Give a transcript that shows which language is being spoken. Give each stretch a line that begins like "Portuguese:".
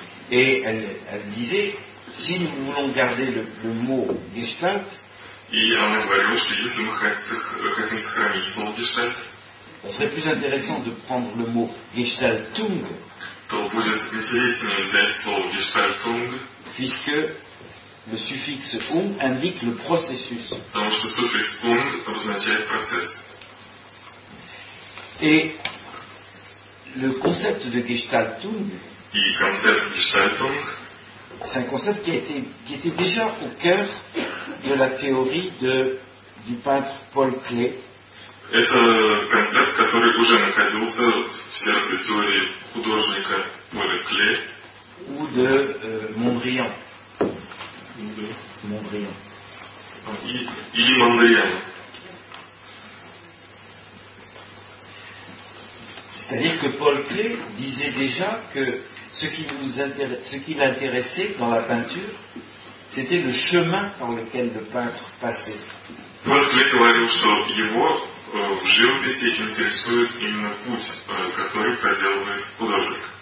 French: Et elle disait, si nous voulons garder le mot Gestalt,
Russian: и она говорила, что если мы хотим сохранить слово Gestalt,
French: ce serait plus intéressant de prendre le mot Gestaltung,
Russian: то будет интереснее взять слово Gestaltung,
French: puisque le suffixe ung indique le processus.
Russian: Потому что суффикс ung обозначает процесс.
French: Et le concept de Gestaltung,
Russian: и концепт Gestaltung,
French: c'est un concept qui était déjà au cœur de la théorie du peintre Paul Klee.
Russian: Это концепт, который уже находился в сердце теории художника Поля Клея.
French: Ou de Mondrian.
Russian: Mondrian. Или Mondrian.
French: C'est-à-dire que Paul Klee disait déjà que ce qui l'intéressait dans la peinture, c'était le chemin par lequel le peintre passait.
Russian: Paul Klee говорил, что его в живописи интересует именно путь, который проделывает художник.